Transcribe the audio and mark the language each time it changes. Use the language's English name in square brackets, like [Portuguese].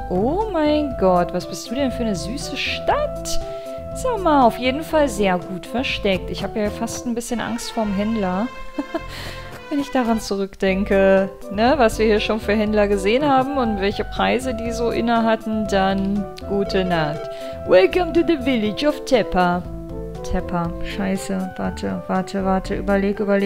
[German] Oh mein Gott, was bist du denn für eine süße Stadt? Sag mal, auf jeden Fall sehr gut versteckt. Ich habe ja fast ein bisschen Angst vorm Händler, wenn ich daran zurückdenke, ne, was wir hier schon für Händler gesehen haben und welche Preise die so inne hatten, dann gute Nacht. [English] Welcome to the village of Tepa. [German] Tepa, scheiße, warte, überleg.